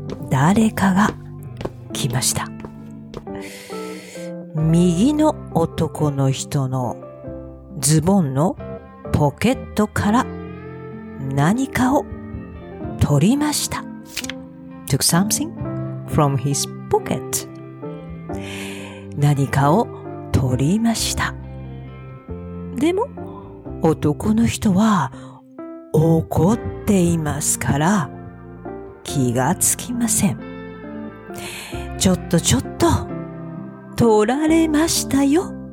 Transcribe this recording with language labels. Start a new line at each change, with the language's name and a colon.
Japanese: 誰かが来ました。右の男の人のズボンのポケットから何かを取りました。
English: Took something from his pocket.
Japanese: 何かを取りました。でも男の人は怒っていますから気がつきません。ちょっとちょっと、取られましたよ。